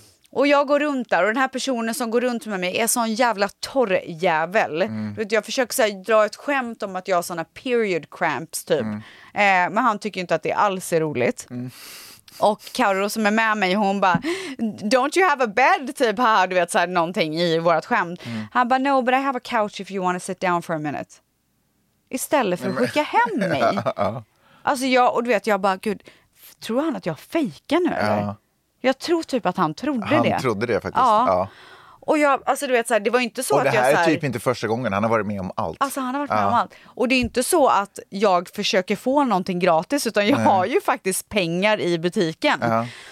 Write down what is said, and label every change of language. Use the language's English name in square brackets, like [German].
[Swedish] Och jag går runt där och den här personen som går runt med mig är sån jävla torr jävel. Mm. Jag försöker så här, dra ett skämt om att jag har såna [English] period cramps [Swedish] typ. Mm. Men han tycker inte att det alls är roligt. Mm. Och Karo som är med mig, hon bara [English] don't you have a bed [Swedish] typ, haha, du vet så här, någonting i vårat skämt. Mm. Han bara [English] no, but I have a couch if you want to sit down for a minute. [Swedish] Istället för att skicka hem mig. Alltså jag, och du vet, jag bara gud, tror han att jag fejkar nu eller? Ja. Jag tror typ att han trodde han det. Han trodde det faktiskt. Ja. Ja. Och jag, alltså du vet så här, det var inte så och att så här. Det här är typ inte första gången han har varit med om allt. Alltså han har varit med om allt. Och det är inte så att jag försöker få någonting gratis, utan jag har ju faktiskt pengar i butiken. Ja.